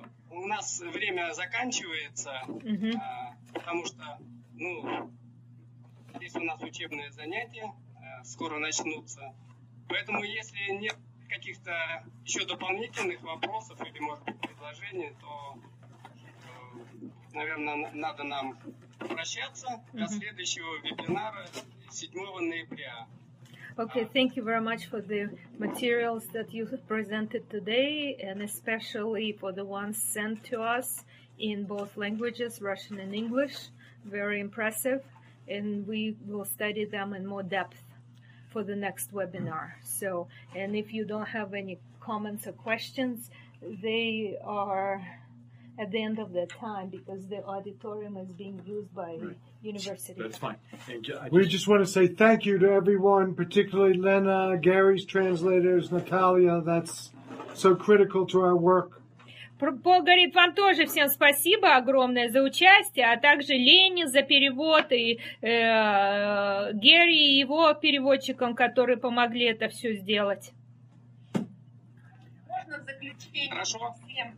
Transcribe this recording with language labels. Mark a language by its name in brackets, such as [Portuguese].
[Russian] У нас время заканчивается, потому что, ну, здесь у нас учебные занятия скоро начнутся. Поэтому, если нет каких-то еще дополнительных вопросов или, может быть, предложений, то, наверное, надо нам прощаться до следующего вебинара 7 ноября. [English] Okay, thank you very much for the materials that you have presented today, and especially for the ones sent to us in both languages, Russian and English. Very impressive, and we will study them in more depth for the next webinar. So, and if you don't have any comments or questions, they are at the end of the time because the auditorium is being used by university. That's fine. We just want to say thank you to everyone, particularly Lena, Gary's translators, Natalia. That's so critical to our work. [Russian] Бог говорит, вам тоже всем спасибо огромное за участие, а также Лене за перевод, и Герри и его переводчикам, которые помогли это все сделать. Можно в заключение?